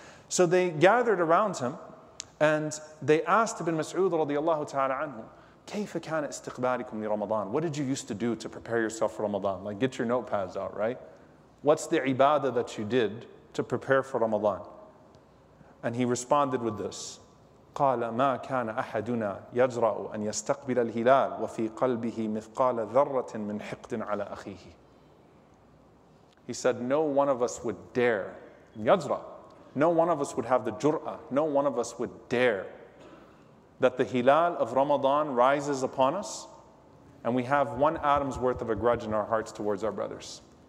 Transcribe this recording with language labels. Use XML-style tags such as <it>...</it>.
<en>So they gathered around him, and they asked Ibn Mas'ud radiallahu ta'ala anhu,</en> <ar>كَيْفَ كَانَ إِسْتِقْبَالِكُمْ لِرَمَضَانِ?</ar> <en>What did you used to do to prepare yourself for Ramadan? Like, get your notepads out, right? What's the ibadah that you did to prepare for Ramadan? And he responded with this,</en> <ar>قَالَ مَا كَانَ أَحَدُنَا يَجْرَأُ أَنْ يَسْتَقْبِلَ الْهِلَالِ وَفِي قَلْبِهِ مِثْقَالَ ذَرَّةٍ مِنْ حِقْدٍ عَلَى أَخِيهِ.</ar> <en>He said, no one of us would dare, يَجْرَأ, no one of us would have the jur'ah, no one of us would dare that the hilal of Ramadan rises upon us and we have one atom's worth of a grudge in our hearts towards our brothers.</en>